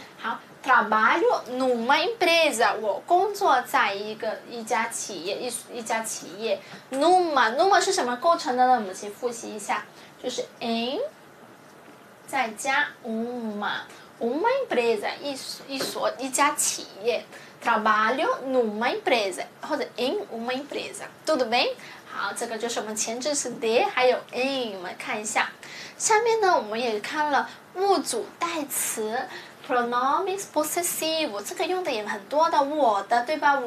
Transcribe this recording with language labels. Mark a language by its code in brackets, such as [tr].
[zh] 好， [pt] trabalho numa empresa， [zh] 我工作在一家企业，一家企业。 numa 是什么构成的呢？我们先复习一下，就是 em 再加 uma empresa， 一家企业。 [pt] trabalho numa empresa， [zh] 或者 [pt] em uma empresa， tudo bem？ [zh] 好，这个就是我们前置词 de 还有 in， 我们看一下。下面呢，我们也看了物主代词 pronomes possessive， 这个用的也很多的，我的，对吧？